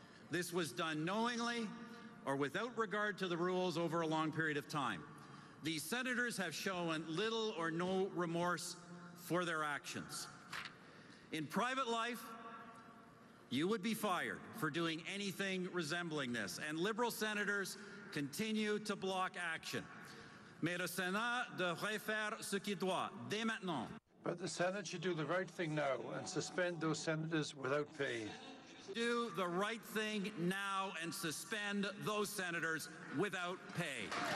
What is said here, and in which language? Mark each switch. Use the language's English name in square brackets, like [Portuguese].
[English] This was done knowingly or without regard to the rules over a long period of time. These senators have shown little or no remorse for their actions. In private life, you would be fired for doing anything resembling this. And Liberal senators continue to block action. [French] Mais le Sénat devrait faire ce qu'il doit, dès maintenant. [English] But the Senate should do the right thing now and suspend those senators without pay. Do the right thing now and suspend those senators without pay.